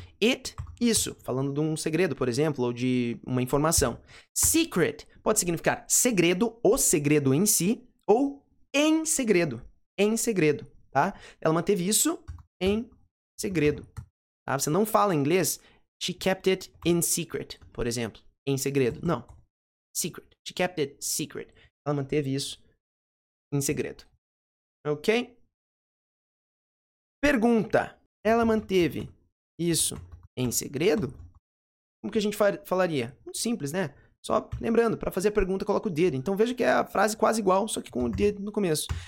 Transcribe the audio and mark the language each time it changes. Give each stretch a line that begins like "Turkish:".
Portuguese: It, isso, falando de um segredo, por exemplo, ou de uma informação. Secret pode significar segredo, o segredo em si, ou em segredo. Em segredo, tá? Ela manteve isso em segredo, tá? Você não fala em inglês,
English: she kept it in secret,
Portuguese: por exemplo. Em segredo, não.
English: Secret, she kept it secret.
Portuguese: Ela manteve isso em segredo. Ok? Pergunta, ela manteve isso em segredo? Como que a gente falaria? Muito simples, né? Só lembrando, para fazer a pergunta, coloca o did. Então, veja que é a frase quase igual, só que com o did no começo.